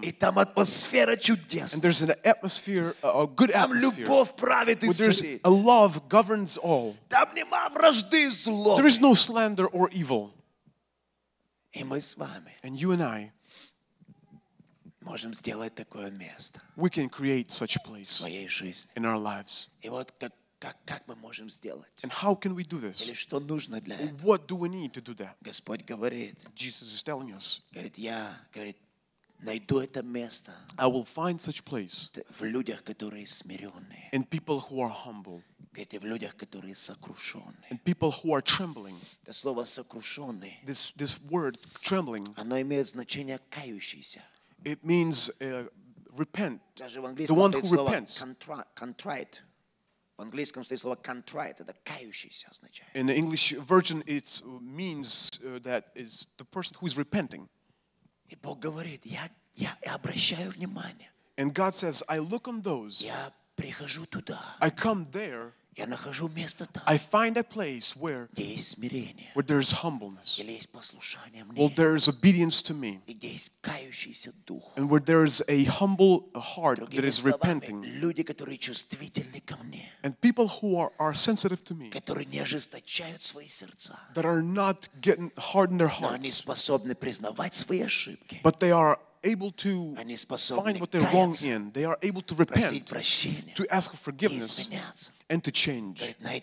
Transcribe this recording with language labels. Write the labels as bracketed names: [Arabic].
[Russian] И там атмосфера чудесная. [English] And there's an atmosphere, a good [Russian] там [English] atmosphere. [Russian] Там любовь правит и царит. [English] A love governs all. There is no slander or evil. And you and I [Russian] можем сделать такое место. [English] We can create such place in our lives. [Russian] И вот как как мы можем сделать? [English] And how can we do this? [Russian] Или что нужно для этого? [English] What do we need to do that? [Russian] Господь говорит. [English] Jesus is telling us. [Russian] Говорит, я, говорит, найду это место. [English] I will find such place. [Russian] В людях, которые смиренные. [English] In people who are humble. [Russian] Говорит, и в людях, которые сокрушенные. [English] In people who are trembling. [Russian] Это слово сокрушенный. [English] This word trembling. [Russian] Оно имеет значение кающийся. [English] It means repent. [Russian] Даже в английском стоит слово contrite. В английском стоит слово contrite. Это кающийся означает. [English] In the English version, it means that is the person who is repenting. [Russian] И Бог говорит, я обращаю внимание. [English] And God says, I look on those. [Russian] Я прихожу туда. [English] I come there. [Russian] Я нахожу место там. [English] I find a place where. [Russian] Где есть смирение. [English] Where there is humbleness. [Russian] Где есть послушание мне. [English] Well, there is obedience to me. [Russian] И где есть кающийся дух. [English] And where there is a humble heart that is repenting. [Russian] Люди, которые чувствительны ко мне. [English] And people who are sensitive to me. [Russian] Которые не ожесточают свои сердца. [English] That are not getting hard in their hearts. [Russian] Но они способны признавать свои ошибки. [English] But they are able to find what they're wrong in. They are able to repent, to ask for forgiveness, and to change.